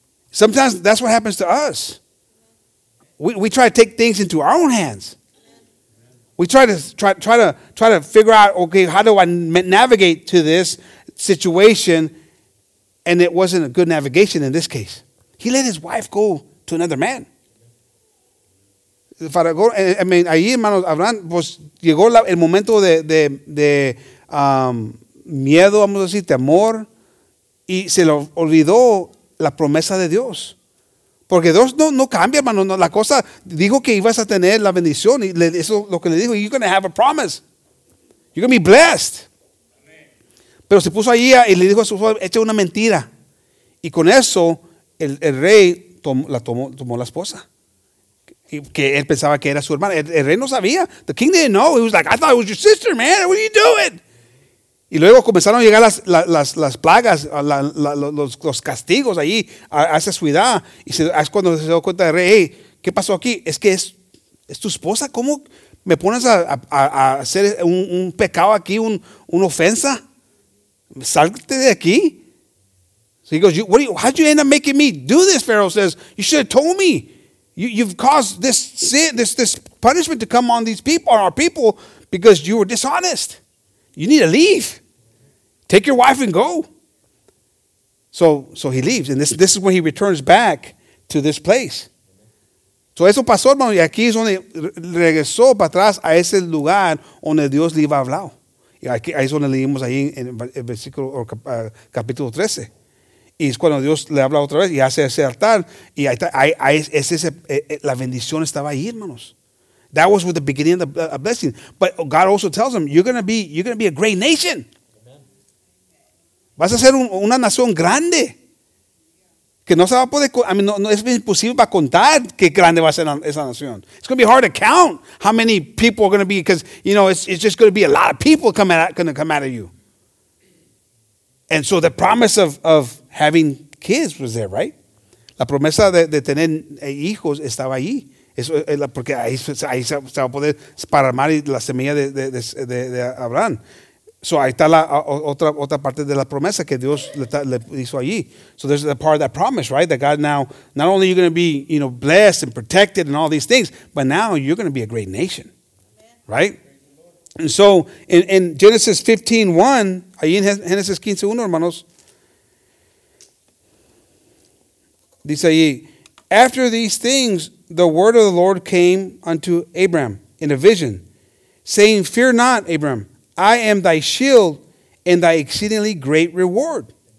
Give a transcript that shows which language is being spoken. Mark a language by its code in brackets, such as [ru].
[en] Sometimes that's what happens to us. We try to take things into our own hands. We try to figure out, okay, how do I navigate to this situation? And it wasn't a good navigation in this case. He let his wife go to another man. [es] I mean, ahí, hermanos, Abraham, pues, llegó el momento de miedo, vamos a decir, temor, y se le olvidó la promesa de Dios. Porque Dios no cambia, hermano. No, la cosa, dijo que ibas a tener la bendición. Y eso lo que le dijo, [en] you're going to have a promise. You're going to be blessed. Amen. [es] Pero se puso allí y le dijo a su esposa, echa una mentira. Y con eso, el rey tomó la esposa. Y que él pensaba que era su hermana. El rey no sabía. [en] The king didn't know. He was like, I thought it was your sister, man. What are you doing? [es] Y luego comenzaron a llegar las plagas, los castigos allí a esa ciudad. Y es cuando se dio cuenta de rey, hey, ¿qué pasó aquí? Es que es tu esposa. ¿Cómo me pones a hacer un pecado aquí, una ofensa? Sálgate de aquí. [en] So he goes, how'd you end up making me do this? Pharaoh says, you should have told me. You've caused this sin, this punishment to come on these people, on our people, because you were dishonest. You need to leave. Take your wife and go. So he leaves. And this is when he returns back to this place. [es] So eso pasó, hermano. Y aquí es donde regresó para atrás a ese lugar donde Dios le iba a hablar. Y aquí, ahí es donde leímos ahí en el versículo, o capítulo 13. Y es cuando Dios le habla otra vez y hace ese altar. Y ahí está, la bendición estaba ahí, hermanos. [en] That was with the beginning of the blessing. But God also tells him, you're going to be a great nation. Amen. [es] Vas a ser una nación grande. Que no se va a poder, I mean, no es imposible para contar qué grande va a ser esa nación. [en] It's going to be hard to count how many people are going to be, because, you know, it's just going to be a lot of people going to come out of you. And so the promise of having kids was there, right? [es] La promesa de tener hijos estaba allí. Eso es porque ahí se va a poder esparramar la semilla de Abraham. So ahí está otra parte de la promesa que Dios le hizo allí. [en] So there's the part of that promise, right? That God now, not only you're going to be, you know, blessed and protected and all these things, but now you're going to be a great nation. Right? And so in Genesis 15:1, [es] ahí en Génesis 15:1, hermanos, dice ahí, [en] after these things, the word of the Lord came unto Abram in a vision, saying, fear not, Abram, I am thy shield and thy exceedingly great reward.